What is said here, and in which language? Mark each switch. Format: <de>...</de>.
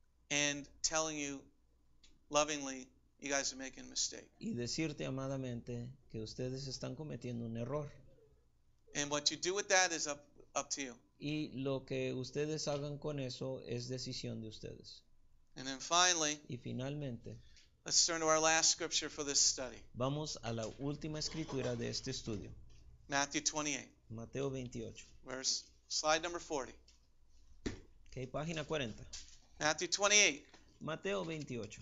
<en>And telling you lovingly, you guys are making a mistake.</en> <es>Y decirte amadamente que ustedes están cometiendo un error.</es> <en>And what you do with that is up to you.</en> <es>Y lo que ustedes hagan con eso es decisión de ustedes.</es> <en>And then finally.</en> <es>Y finalmente.</es> <en>Let's turn to our last scripture for this study.</en> <es>Vamos a la última escritura de este estudio.</es> <en>Matthew 28.</en> <es>Mateo 28.</es> <en>Verse, slide number 40.</en> <es>Okay, página 40.</es> <en>Matthew 28.</en> <es>Mateo 28.</es>